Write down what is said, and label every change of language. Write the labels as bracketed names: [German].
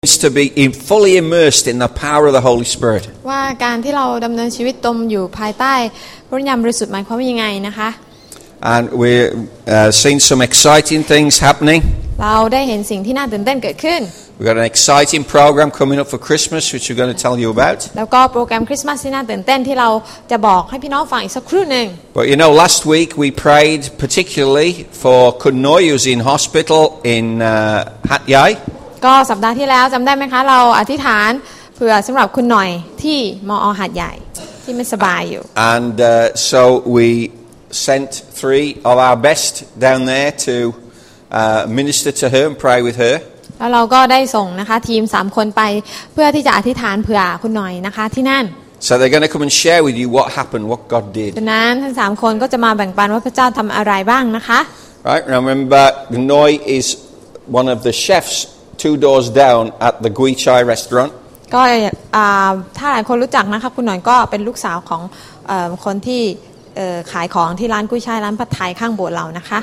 [English] is to be fully immersed in the power of the Holy Spirit. [Thai] ว่าการที่เราดำเนินชีวิตตมอยู่ภายใต้พระวิญญาณบริสุทธิ์หมายความว่ายังไงนะคะ [English] And we've seen some exciting things happening. [Thai] เราได้เห็นสิ่งที่น่าตื่นเต้นเกิดขึ้น [English] We've got an exciting program coming up for Christmas, which we're going to tell you about. [Thai] แล้วก็โปรแกรมคริสต์มาสที่น่าตื่นเต้นที่เราจะบอกให้พี่น้องฟังอีกสักครู่นึง [English] But you know, last week we prayed particularly for Kunoyu's in hospital in Hat Yai. [Thai] ก็สัปดาห์ที่แล้วจำได้ไหมคะเราอธิษฐานเผื่อสำหรับคุณหน่อยที่มอหาดใหญ่ที่ไม่สบายอยู่ [English] And so we sent three of our best down there to minister to her and pray with her [Thai] แล้วเราก็ได้ส่งนะคะทีม3คนไปเพื่อที่จะอธิษฐานเผื่อคุณหน่อยนะคะที่นั่น [English] So they're going to come and share with you what happened what God did [Thai] ดังนั้นทั้ง3คนก็จะมาแบ่งปันว่าพระเจ้าทำอะไรบ้างนะคะ [English] Right remember Noi is one of the chefs two doors down at the Gui Chai restaurant [Thai] ก็ถ้าหลายคนรู้จักนะคะคุณหน่อยก็เป็นลูกสาวของคนที่ขายของที่ร้านกุ้ยช่ายร้านผัดไทยข้างโบสถ์เรานะคะ